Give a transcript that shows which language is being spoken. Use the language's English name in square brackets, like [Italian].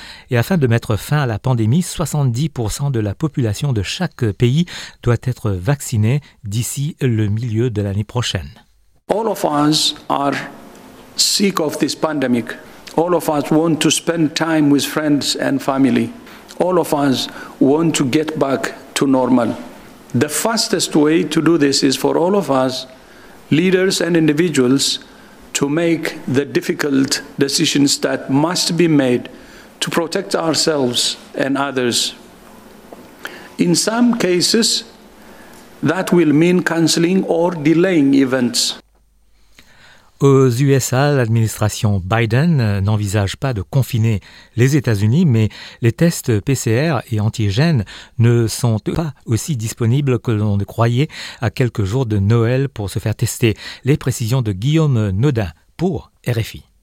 [French] Et afin de mettre fin à la pandémie, 70% de la population de chaque pays doit être vaccinée d'ici le milieu de l'année prochaine. [English] All of us are sick of this pandemic. All of us want to spend time with friends and family. All of us want to get back to normal. The fastest way to do this is for all of us, leaders and individuals, to make the difficult decisions that must be made to protect ourselves and others. In some cases, that will mean cancelling or delaying events. [French] Aux USA, l'administration Biden n'envisage pas de confiner les États-Unis, mais les tests PCR et antigènes ne sont pas aussi disponibles que l'on ne croyait à quelques jours de Noël pour se faire tester. Les précisions de Guillaume Nodin pour RFI.